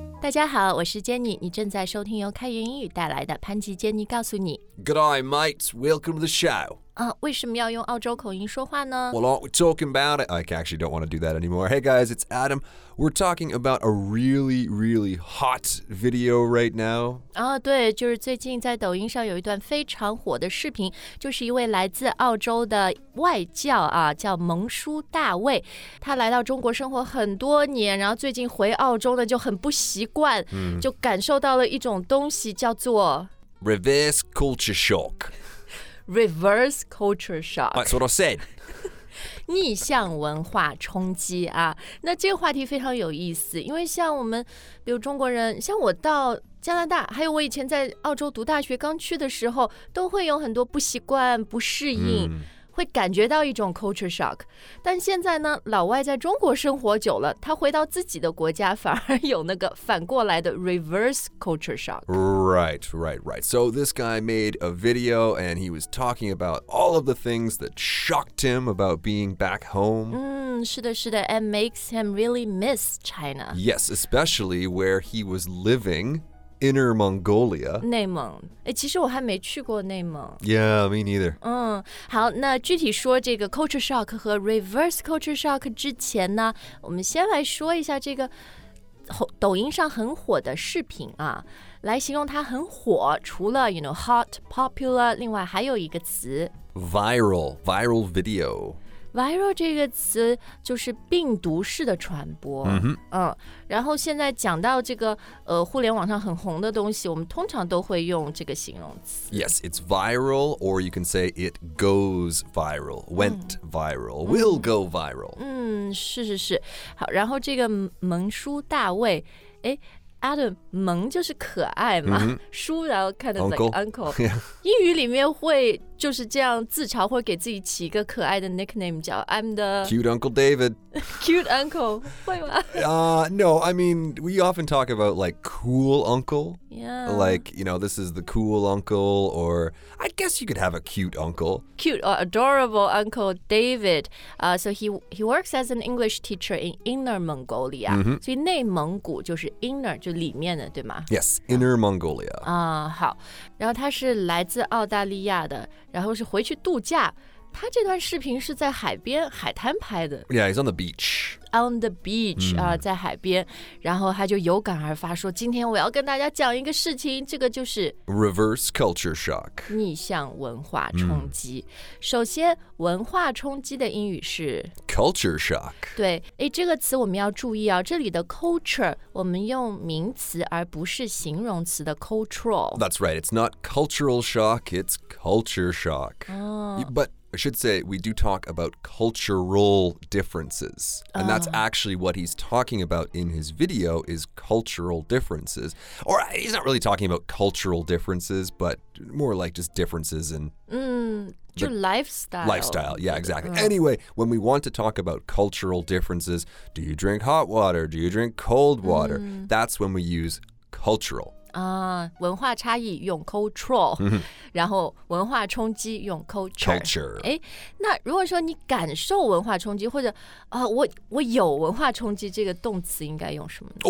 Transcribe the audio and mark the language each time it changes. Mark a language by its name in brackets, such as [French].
[Chinese] 家好，我是 Jenny， 你正在收听由开源英语带来的潘吉 Jenny 告诉你。 [English] G'day mates, welcome to the show. [Chinese] 为什么要用澳洲口音说话呢 [English] Well, aren't we talking about it? I actually don't want to do that anymore. Hey guys, it's Adam. We're talking about a really, really hot video right now. [Chinese] 对，就是最近在抖音上有一段非常火的视频，就是一位来自澳洲的外教啊，叫蒙叔大卫。他来到中国生活很多年，然后最近回澳洲呢就很不习惯，就感受到了一种东西叫做 [English] Reverse culture shock. Reverse culture shock. That's what I said. [Chinese] 逆向文化冲击啊，那这个话题非常有意思，因为像我们，比如中国人，像我到加拿大，还有我以前在澳洲读大学刚去的时候，都会有很多不习惯、不适应。会感觉到一种 culture shock， 但现在呢，老外在中国生活久了，他回到自己的国家，反而有那个反过来的 reverse culture shock. [English] Right, right, right. So this guy made a video, and he was talking about all of the things that shocked him about being back home. [Chinese] 是的，是的 [English] ，and makes him really miss China. Yes, especially where he was living. Inner Mongolia. [Chinese] 内蒙，其实我还没去过内蒙。 [English] Yeah, me neither. [Chinese] 好，那具体说这个 culture shock 和 reverse culture shock 之前呢，我们先来说一下这个抖音上很火的视频啊，来形容它很火。除了 [English] you know hot, popular， [Chinese] 另外还有一个词 [English] viral, viral video. [Chinese] Viral 这个词就是病毒式的传播、然后现在讲到这个、互联网上很红的东西我们通常都会用这个形容词 [English] Yes, it's viral or you can say it goes viral, went viral, will go viral [Chinese] 是是是好，然后这个蒙叔大卫诶 Adam, 蒙就是可爱嘛、叔然后 [English] kind of like uncle、 [Chinese] 英语里面会就是这样自嘲或者给自己起一个可爱的 nickname 叫 [English] I'm the Cute Uncle David Cute Uncle [Chinese] 会吗、 [English] No, I mean we often talk about like cool uncle Yeah Like, you know, this is the cool uncle Or I guess you could have a cute uncle Cute or adorable uncle David、So he works as an English teacher in Inner Mongolia、 [Chinese] 所以内蒙古就是 inner 就里面的对吗 [English] Yes, Inner Mongolia [Chinese] 好然后他是来自澳大利亚的然后是回去度假他这段视频是在海边海滩拍的 [English] Yeah, he's on the beach [Chinese] On the beach、在海边然后他就有感而发说今天我要跟大家讲一个事情这个就是 [English] Reverse culture shock [Chinese] 逆向文化冲击、首先文化冲击的英语是 [English] Culture shock [Chinese] 对这个词我们要注意啊，这里的 culture 我们用名词而不是形容词的 cultural [English] That's right, it's not cultural shock, it's culture shock、But I should say, we do talk about cultural differences. And that's actually what he's talking about in his video is cultural differences. Or he's not really talking about cultural differences, but more like just differences in... Your lifestyle. Lifestyle, yeah, exactly. Anyway, when we want to talk about cultural differences, do you drink hot water? Do you drink cold water? That's when we use cultural. [Chinese] 文化差异用 cultural、然后文化冲击用 culture, [English] culture. [Chinese] 那如果说你感受文化冲击或者、我有文化冲击这个动词应该用什么呢